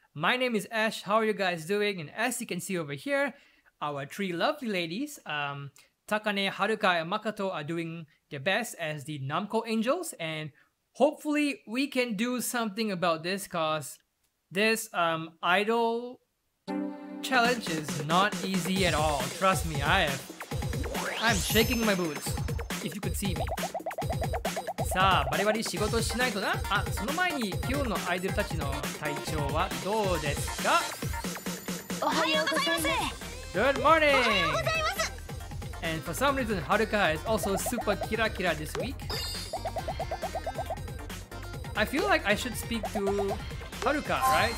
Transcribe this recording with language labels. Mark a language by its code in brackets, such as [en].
[en] My name is Ash, how are you guys doing? And as you can see over here, our three lovely ladies, Takane, Haruka, and Makoto are doing their best as the Namco Angels, and hopefully we can do something about this, cause this Idol challenge is not easy at all, trust me, I'm shaking my boots, if you could see me. [ja] さあ、バリバリ仕事しないとな。あ、その前に今日のアイドルたちの体調はどうですか？おはようございます。 [en] Good morning! [ja] おはようございます。 [en] And for some reason, Haruka is also super kira kira this week. I feel like I should speak to Haruka, right?